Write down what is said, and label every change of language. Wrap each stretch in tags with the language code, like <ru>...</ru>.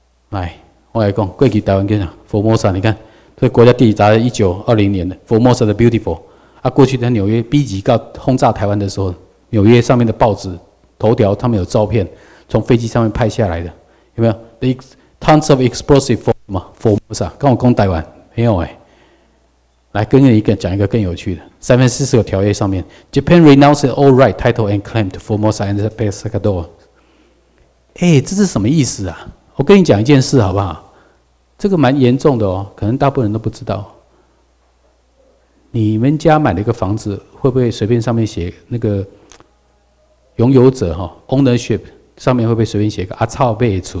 <zh>来，我来讲，过去台湾叫啥？佛摩萨，你看。所以国家地理杂志1920年的 Formosa the Beautiful， 啊，过去在纽约 B 级告轰炸台湾的时候，纽约上面的报纸头条，他们有照片从飞机上面拍下来的，有没有 ？</zh> <en>The tons of explosive Formosa，</en> <zh>跟我讲台湾没有哎、欸。来跟你讲一个更有趣的</zh> <en>，San Francisco</en> <zh>条约上面</zh> <en>，Japan renounces all right, title and claim to Formosa and the Pescador。</en> <zh>哎，这是什么意思啊？我跟你讲一件事好不好？这个蛮严重的哦，可能大部分人都不知道。你们家买了一个房子，会不会随便上面写那个拥有者哈 ，ownership 上面会不会随便写个阿超贝处？</zh>